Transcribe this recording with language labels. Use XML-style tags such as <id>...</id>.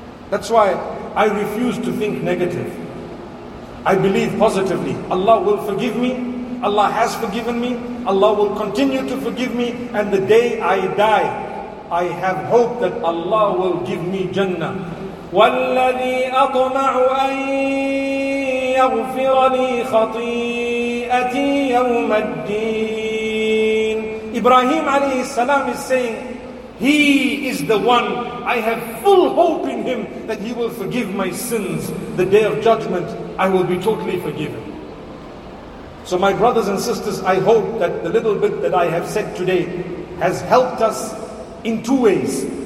<en>That's why I refuse to think negative. I believe positively. Allah will forgive me. Allah has forgiven me. Allah will continue to forgive me. And the day I die, I have hope that Allah will give me Jannah.</en> <ar>وَالَّذِي أَطْمَعُ أَن يَغْفِرَ لِي خَطِيئَتِي يَوْمَ الدِّينِ.</ar> <en>Ibrahim alayhi salam is saying, He is the one, I have full hope in Him that He will forgive my sins. The day of judgment, I will be totally forgiven. So my brothers and sisters, I hope that the little bit that I have said today has helped us in two ways.</en>